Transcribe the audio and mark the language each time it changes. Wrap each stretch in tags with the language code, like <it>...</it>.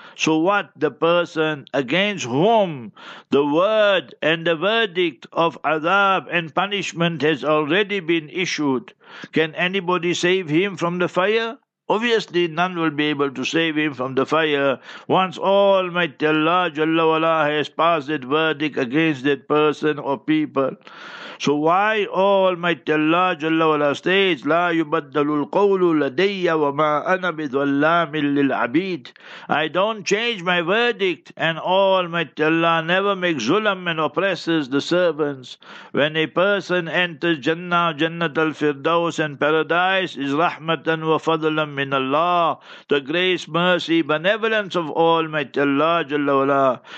<en>So what, the person against whom the word and the verdict of azab and punishment has already been issued, can anybody save him from the fire? Obviously, none will be able to save him from the fire once Almighty Allah Jalla Wala has passed that verdict against that person or people.</en> <ar>So why Almighty Allah Jalla Wala states, لا يبدل القول لدي وما أنا بظلام للعبيد.</ar> <en>I don't change my verdict, and Almighty Allah never makes zulam and oppresses the servants. When a person enters Jannah, Jannat al-Firdaus and Paradise, is</en> <ar>rahmatan wa fadlam</ar> <en>in Allah, the grace, mercy, benevolence of Almighty Allah Jalla Wala.</en>